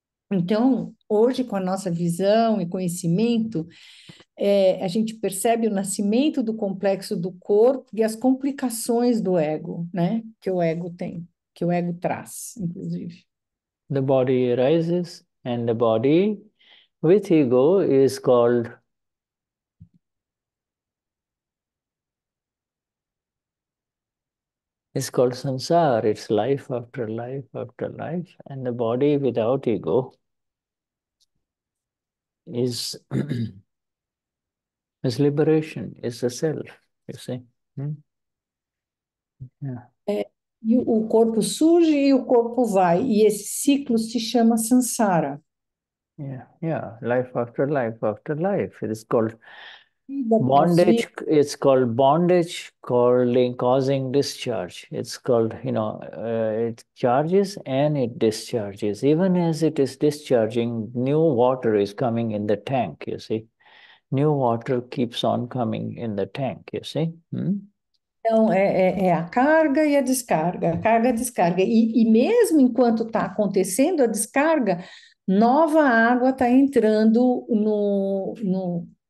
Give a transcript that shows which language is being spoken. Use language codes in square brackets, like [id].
[pt] Então, hoje, com a nossa visão e conhecimento, a gente percebe o nascimento do complexo do corpo e as complicações do ego, né? Que o ego tem, que o ego traz, inclusive. [en] The body arises and the body with ego is called... It's called samsara. It's life after life after life. And the body without ego is is liberation, is the self, you see. [pt] E o corpo surge e o corpo vai. E esse ciclo se chama samsara. [en] Life after life after life. It is called... Bondage, it's called bondage, causing discharge. It's called, you know, it charges and it discharges. Even as it is discharging, new water is coming in the tank, you see. New water keeps on coming in the tank, you see. [pt] Então, é a carga e a descarga, carga e descarga. E mesmo enquanto está acontecendo a descarga, nova água está entrando no